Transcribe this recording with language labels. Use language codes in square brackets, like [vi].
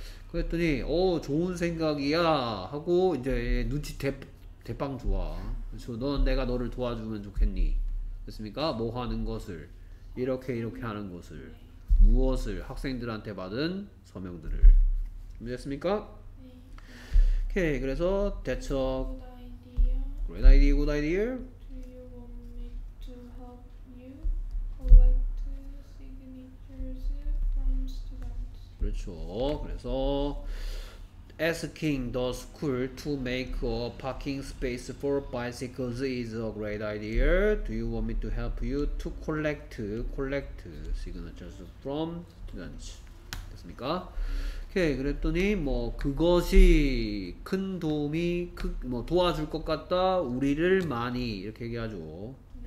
[ko] 그랬더니 오 좋은 생각이야 하고 이제 눈치 대빵 좋아. 그래서 넌 내가 너를 도와주면 좋겠니? 됐습니까? 뭐 하는 것을 이렇게 이렇게 하는 것을 무엇을 학생들한테 받은 서명들을 됐습니까? [en] 오케이 그래서 대처 Great idea, good idea. Do you want me to help you collect signatures from students? 그렇죠. 그래서 asking the school to make a parking space for bicycles is a great idea. Do you want me to help you to collect signatures from students? [ko] 됐습니까? 오케이 그랬더니 뭐 그것이 큰 도움이 뭐 도와줄 것 같다 우리를 많이 이렇게 얘기하죠 네.